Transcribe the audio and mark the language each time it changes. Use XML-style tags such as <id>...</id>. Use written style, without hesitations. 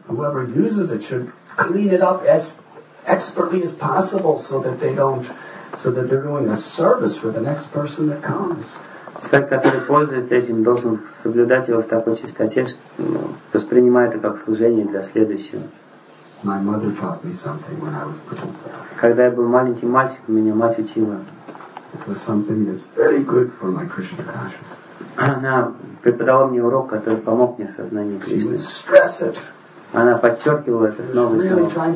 <en>whoever uses it should clean it up as expertly as possible, so that they're doing a service for the next person that comes.</en> <ru>Человек, который пользуется этим, должен соблюдать его в такой чистоте, воспринимая это как служение для следующего.</ru> <en>My mother taught me something when I was little.</en> <ru>Когда я был маленьким мальчиком, меня мать учила.</ru> <en>It was something that's very good for my Krishna consciousness.</en> <ru>Она преподала мне урок, который помог мне в сознании Кришны. Она подчеркивала это снова и снова.</ru>